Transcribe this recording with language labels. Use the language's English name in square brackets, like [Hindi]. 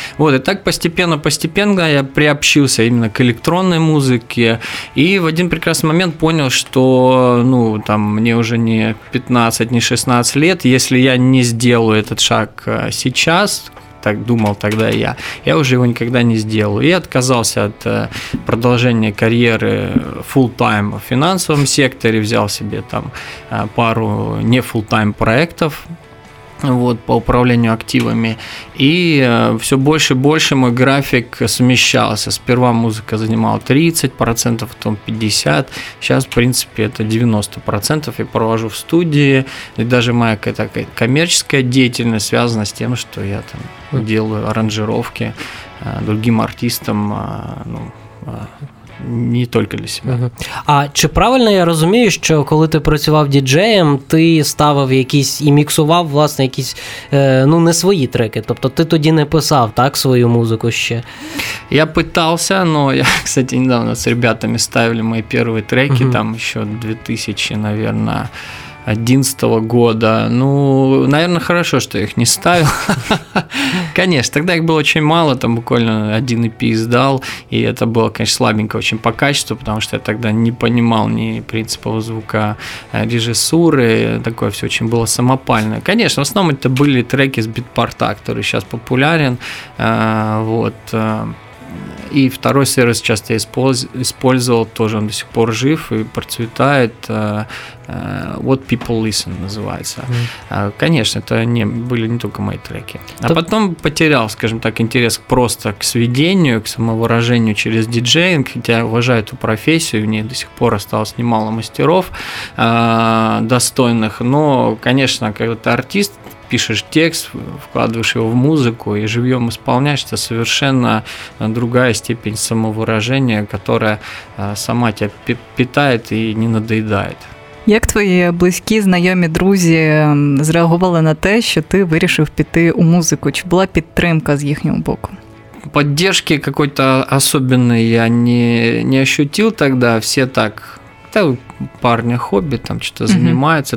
[Russian] Вот, и так постепенно-постепенно я приобщился именно к электронной музыке и в один прекрасный момент понял, что, ну, там, мне уже не 15, не 16 лет, если я не сделаю этот шаг сейчас, так думал тогда я уже его никогда не сделаю. И отказался от продолжения карьеры full-time в финансовом секторе, взял себе там пару не full-time проектов вот, по управлению активами. И все больше и больше мой график смещался. Сперва музыка занимала 30%, потом 50%. Сейчас, в принципе, это 90% я провожу в студии. И даже моя какая-то коммерческая деятельность связана с тем, что я там делаю аранжировки другим артистам, ну, [Ukrainian] не тільки для себе. А чи правильно я розумію, що коли ти працював діджеєм, ти ставив якісь і міксував, власне, якісь, ну, не свої треки, тобто ти тоді не писав, так, свою музику ще? [Russian] Я пытался, но я, кстати, недавно с ребятами ставили мои первые треки, там ще 2000, наверное, 11-го года. Ну, наверное, хорошо, что я их не ставил. Конечно, тогда их было очень мало, там буквально один EP издал, и это было, конечно, слабенько очень по качеству, потому что я тогда не понимал ни принципов звука режиссуры, такое все очень было самопальное. Конечно, в основном это были треки с битпорта, который сейчас популярен, вот. И второй сервис часто я использовал, тоже он до сих пор жив и процветает. What People Listen называется. Конечно, это не, были не только мои треки. А потом потерял, скажем так, интерес просто к сведению, к самовыражению через диджеинг, хотя я уважаю эту профессию, в ней до сих пор осталось немало мастеров достойных. Но, конечно, когда ты артист, пишешь текст, вкладываешь его в музыку и живьем исполняешь, это совершенно другая степень самовыражения, которая сама тебя питает и не надоедает. [Ukrainian] Як твої близькі, знайомі, друзі зреагували на те, що ти вирішив піти у музику? Чи була підтримка з їхнього боку? [Russian] Поддержки какой-то особенной я не ощутил тогда. Все так, да, парня хобби, там что-то занимается.